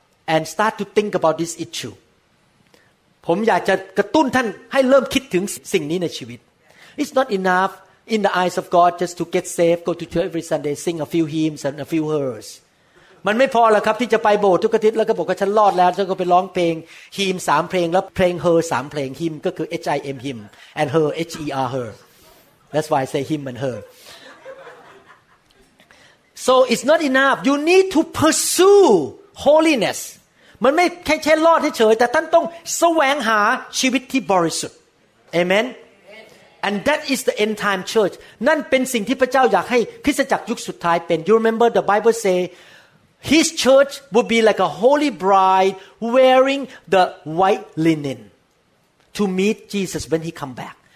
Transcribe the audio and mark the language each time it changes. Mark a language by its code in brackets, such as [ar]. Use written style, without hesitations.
[en] and start to think about this issue. [th] ผมอยากจะกระตุ้นท่านให้เริ่มคิดถึงสิ่งนี้ในชีวิต [en] It's not enough in the eyes of God just to get saved, go to church every Sunday, sing a few hymns and a few hers. [th] มันไม่พอหรอกครับที่จะไปโบสถ์ทุกอาทิตย์แล้วก็บอกว่าฉันรอดแล้วฉันก็ไปร้องเพลง hymn 3เพลงแล้วเพลง her 3เพลง hymn ก็คือ [en] H-I-M hymn and her H-E-R her. That's why I say hymn and herSo it's not enough. You need to pursue holiness. [th] มันไม่แค่รอดเฉยๆแต่ท่านต้องแสวงหาชีวิตที่บริสุทธิ์ Amen. [en] And that is the end time church. [th] นั่นเป็นสิ่งที่พระเจ้าอยากให้คริสตจักรยุคสุดท้ายเป็น [en] You remember the Bible say His church would be like a holy bride wearing the white linen to meet Jesus when He come back.